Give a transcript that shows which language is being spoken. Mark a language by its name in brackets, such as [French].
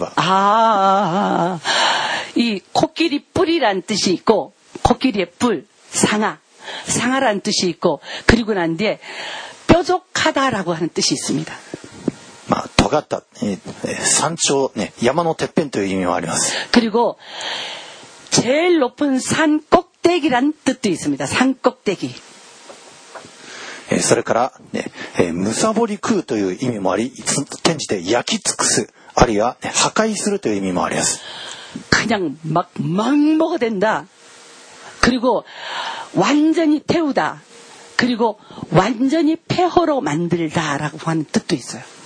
[Korean] ああ、이코끼리뿔이란뜻이있고、코끼리의뿔、상아、상아라는뜻이있고、그리고난뒤에뾰족하다라고하는뜻이있습니다。 [Japanese] まあ尖った、山頂、ね、山のてっぺんという意味もあります。 [Korean] 그리고제일높은산꼭대기라는뜻도있습니다。 산꼭대기、 [Japanese] それから、ね、むさぼり食うという意味もあり、転じて焼き尽くす、あるいは、ね、破壊するという意味もあります。 [Korean] 그냥막막먹어댄다、그리고완전히태우다、그리고완전히폐허로만들다라고하는뜻도있어요。